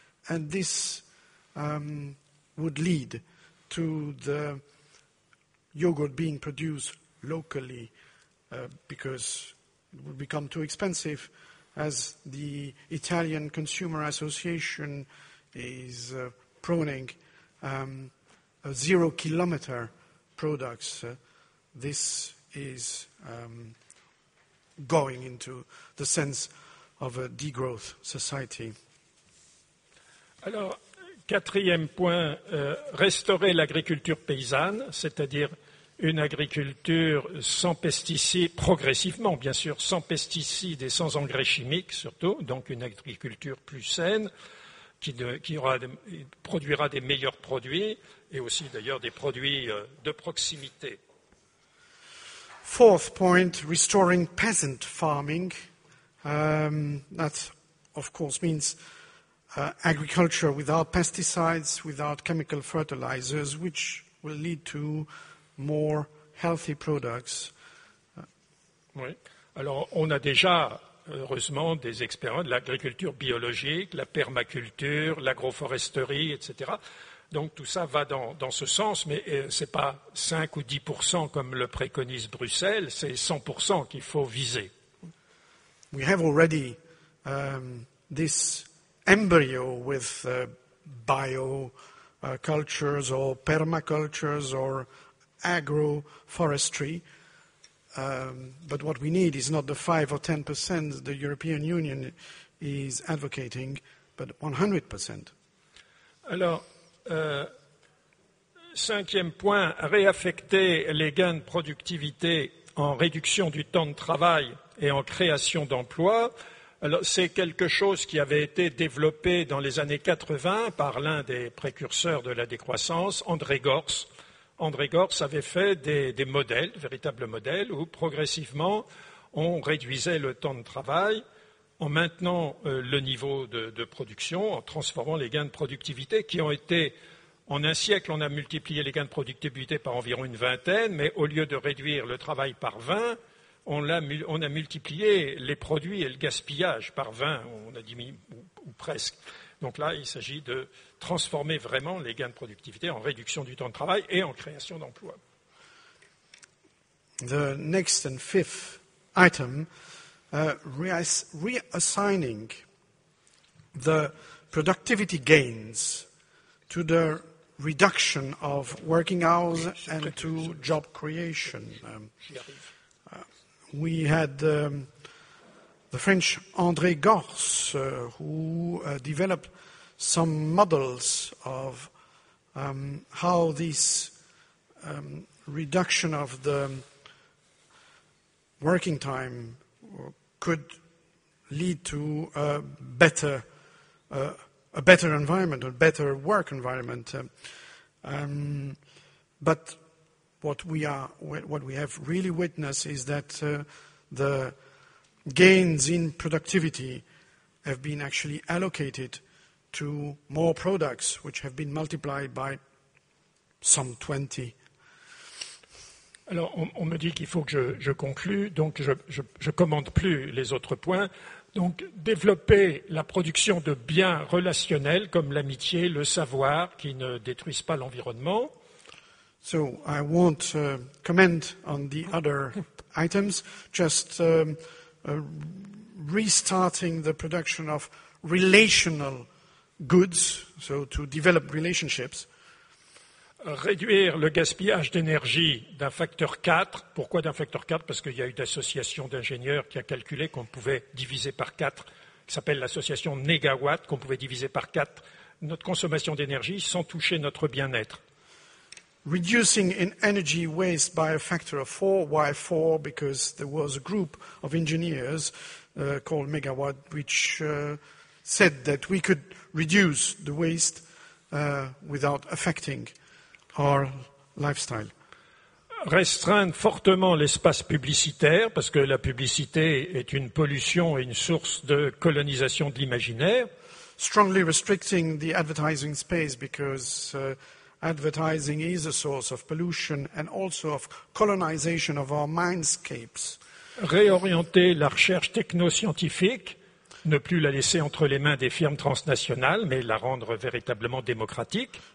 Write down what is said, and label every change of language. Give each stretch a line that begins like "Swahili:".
English: And this would lead to the yogurt being produced locally because it would become too expensive, as the Italian Consumer Association is proning a 0 kilometer products. This is going into the sense of a degrowth society.
French: Alors, quatrième point, restaurer l'agriculture paysanne, c'est-à-dire une agriculture sans pesticides, progressivement, bien sûr, sans pesticides et sans engrais chimiques, surtout, donc une agriculture plus saine, qui produira des meilleurs produits, et aussi, d'ailleurs, des produits de proximité.
English: Fourth point, restoring peasant farming. That, of course, means agriculture without pesticides, without chemical fertilizers, which will lead to more healthy products.
French: Oui. Alors, on a déjà, heureusement, des expériences de l'agriculture biologique, la permaculture, l'agroforesterie, etc. Donc, tout ça va dans ce sens, mais c'est pas 5 ou 10% comme le préconise Bruxelles, c'est 100% qu'il faut viser.
English: We have already this embryo with bio cultures or permacultures or agroforestry, but what we need is not the 5 or 10% the European Union is advocating, but 100%.
French: Alors, cinquième point, réaffecter les gains de productivité en réduction du temps de travail et en création d'emplois. Alors, c'est quelque chose qui avait été développé dans les années 80 par l'un des précurseurs de la décroissance, André Gorz. André Gorz avait fait des modèles, véritables modèles, où progressivement on réduisait le temps de travail en maintenant le niveau de production, en transformant les gains de productivité qui ont été, en un siècle, on a multiplié les gains de productivité par environ une vingtaine, mais au lieu de réduire le travail par 20, on a multiplié les produits et le gaspillage par 20, on a diminué, ou presque. Donc là, il s'agit de transformer vraiment les gains de productivité en réduction du temps de travail et en création d'emplois.
English: The next and fifth item, reassigning the productivity gains to the reduction of working hours and to job creation. We had the French André Gorz, who developed some models of how this reduction of the working time could lead to a better environment, a better work environment. But what we have really witnessed is that the gains in productivity have been actually allocated to more products, which have been multiplied by some 20.
French: Alors, on me dit qu'il faut que je conclue, donc je commente plus les autres points. Donc, développer la production de biens relationnels comme l'amitié, le savoir, qui ne détruisent pas l'environnement.
English: So, I won't comment on the other items, just restarting the production of relational goods, so to develop relationships.
French: Réduire le gaspillage d'énergie d'un facteur 4. Pourquoi d'un facteur 4? Parce qu'il y a eu une association d'ingénieurs qui a calculé qu'on pouvait diviser par 4, qui s'appelle l'association Negawatt, qu'on pouvait diviser par 4 notre consommation d'énergie sans toucher notre bien-être.
English: Reducing in energy waste by a factor of 4. Why 4? Because there was a group of engineers called Megawatt which said that we could reduce the waste without affecting our lifestyle.
French: restreindre fortement l'espace publicitaire, parce que la publicité est une pollution et une source de colonisation de l'imaginaire.
English: Strongly restricting the advertising space because advertising is a source of pollution and also of colonization of our mindscapes.
French: Réorienter la recherche technoscientifique, ne plus la laisser entre les mains des firmes transnationales, mais la rendre véritablement démocratique.